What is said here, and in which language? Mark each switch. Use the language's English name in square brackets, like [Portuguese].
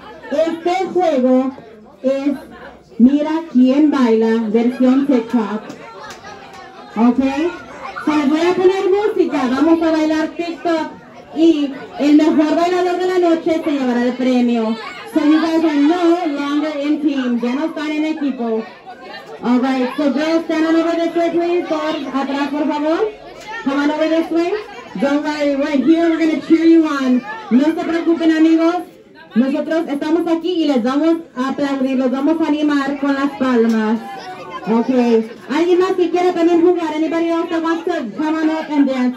[Spanish] Este juego es Mira Quién Baila, versión TikTok. Okay? So, voy a poner música. Vamos a bailar TikTok. Y el mejor bailador de la noche se llevará el premio. [English] So, you guys are no longer in team. [Spanish] Ya no están en equipo. [English] All right, so girls, stand on over this way, please. Go [Spanish] atrás, por favor. [English] Come on over this way. Go right here. We're going to cheer you on. [Spanish] No se preocupen, amigos. Nosotros estamos aquí y les vamos a aplaudir, los vamos a animar con las palmas. Okay. ¿Alguien más que quiera también jugar? [English] Anybody else that wants to come on up and dance?